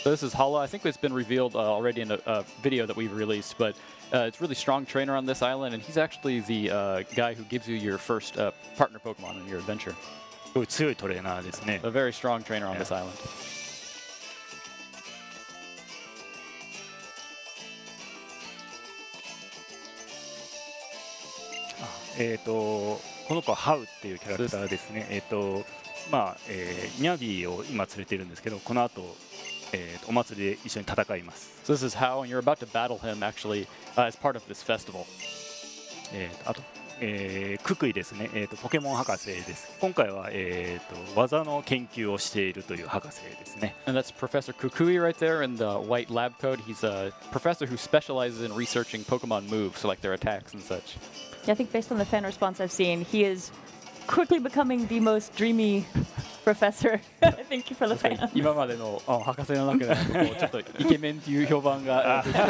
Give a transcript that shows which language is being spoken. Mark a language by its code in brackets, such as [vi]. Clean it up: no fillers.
[en] So this is Hala. I think it's been revealed already in a video that we've released, but it's a really strong trainer on this island, and he's actually the guy who gives you your first partner Pokemon in your adventure. [ja] すごい強いトレーナーですね。 [en] A very strong trainer on this island. [ja] この子はハウっていうキャラクターですね。まあ、ニャビーを今連れているんですけど、この後お祭りで一緒に戦います。 [en] So this is how, and you're about to battle him actually as part of this festival. [ja] あと、ククイですね、ポケモン博士です。今回は、技の研究をしているという博士ですね。 [en] And that's Professor Kukui right there in the white lab coat. He's a professor who specializes in researching Pokemon moves, so like their attacks and such. Yeah, I think based on the fan response I've seen, he is quickly becoming the most dreamy professor. Thank you for the fan. [ja] 今までの博士の中でちょっとイケメンという評判が。